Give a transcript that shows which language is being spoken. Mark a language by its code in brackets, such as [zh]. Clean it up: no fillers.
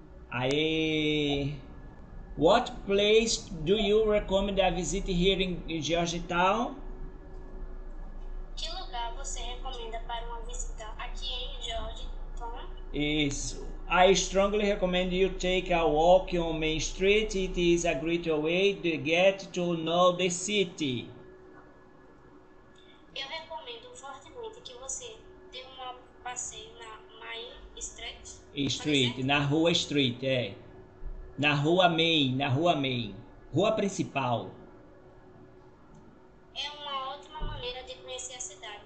[en] Aí, what place do you recommend a visit here in Georgetown? [pt] Que lugar você recomenda para uma visita aqui em Georgetown? Isso. [en] I strongly recommend you take a walk on Main Street. It is a great way to get to know the city. [pt] Eu recomendo fortemente que você dê um passeio na Main Street. Falei [en] Street, [pt] certo? na rua Street, é. Na rua Main, na rua Main. Rua principal. É uma ótima maneira de conhecer a cidade.